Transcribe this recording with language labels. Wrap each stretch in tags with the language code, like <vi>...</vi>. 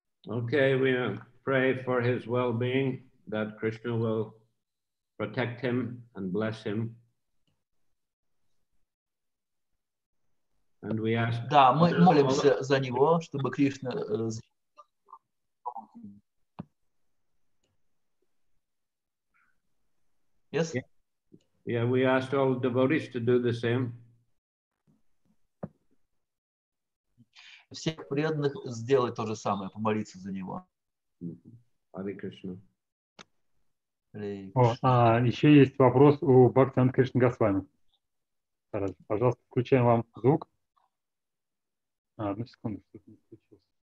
<en>Okay, we pray for his well-being, that Krishna will protect him and bless him. And we ask.</en> <ru>Да, мы молимся за него, чтобы Кришна.</ru> <en>Yes. Yeah, we asked all devotees to do the same.</en> <ru>Всех преданных сделать то же самое, помолиться за него.</ru> <en>Hare Krishna.</en> <ru>Еще есть вопрос у Бхактан Кришна Госвами. Пожалуйста, включаем вам звук. Одну секунду, что-то не включилось.</ru>